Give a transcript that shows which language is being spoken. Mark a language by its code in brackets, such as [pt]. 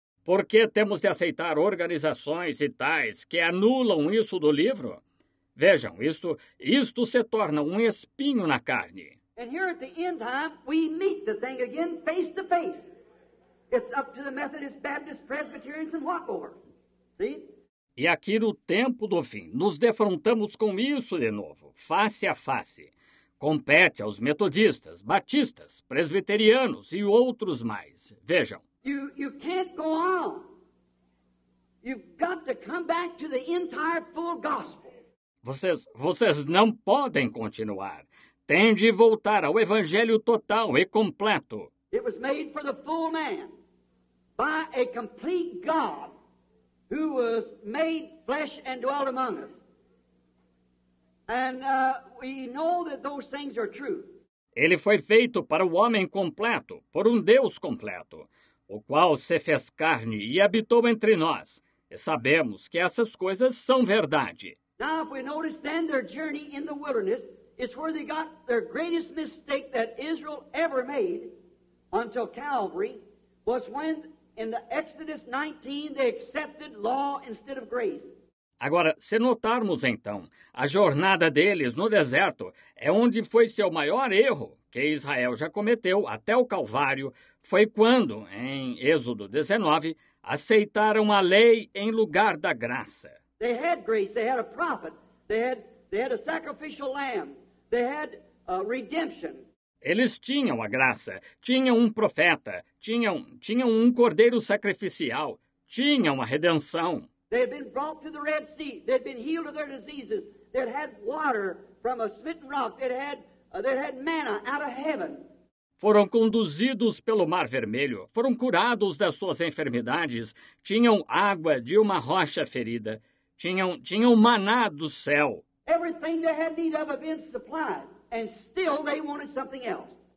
[pt] Por que temos de aceitar organizações e tais que anulam isso do livro? Vejam, isto se torna um espinho na carne. [en] And here at the end time, we meet the thing again face to face. It's up to the Methodist, Baptist, Presbyterians and what more. See? [pt] E aqui no tempo do fim, nos defrontamos com isso de novo, face a face. Compete aos metodistas, batistas, presbiterianos e outros mais. Vejam. [en] You can't go on. You've got to come back to the entire full gospel. [pt] Vocês não podem continuar. Têm de voltar ao evangelho total e completo. [en] It was made for the full man by a complete God. Who was made flesh and dwelt among us. And we know that those things are true. [pt] Ele foi feito para o homem completo, por Deus completo, o qual se fez carne e habitou entre nós. E sabemos que essas coisas são verdade. [en] Now, if we notice then their journey in the wilderness is where they got their greatest mistake that Israel ever made until Calvary was when... In the Exodus 19, they accepted law instead of grace. [pt] Agora, se notarmos então, a jornada deles no deserto é onde foi seu maior erro, que Israel já cometeu até o Calvário, foi quando, em Êxodo 19, aceitaram a lei em lugar da graça. [en] They had grace, they had a prophet, they had a sacrificial lamb, they had a redemption. [pt] Eles tinham a graça, tinham um profeta, tinham um cordeiro sacrificial, tinham a redenção. [en] They had been brought to the Red Sea. They had been healed of their diseases. They had water from a smitten rock. They had manna out of heaven. [pt] Foram conduzidos pelo Mar Vermelho, foram curados das suas enfermidades, tinham água de uma rocha ferida, tinham maná do céu. [en] Everything they had need of had been supplied. And still they wanted something else.